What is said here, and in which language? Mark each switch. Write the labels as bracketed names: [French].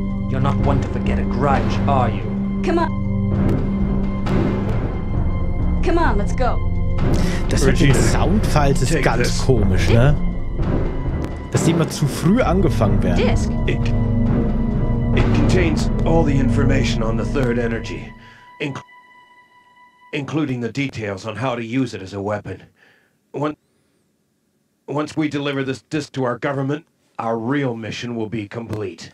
[English] You're not one to forget a grudge, are you? Come on, let's go. [German] Das mit dem Soundfall ist ganz komisch, ne? Dass die immer zu früh angefangen werden. [English] Disc. It contains all the information on the third energy, including the details on how to use it as a weapon. Once we deliver this disc to our government, our real mission will be complete.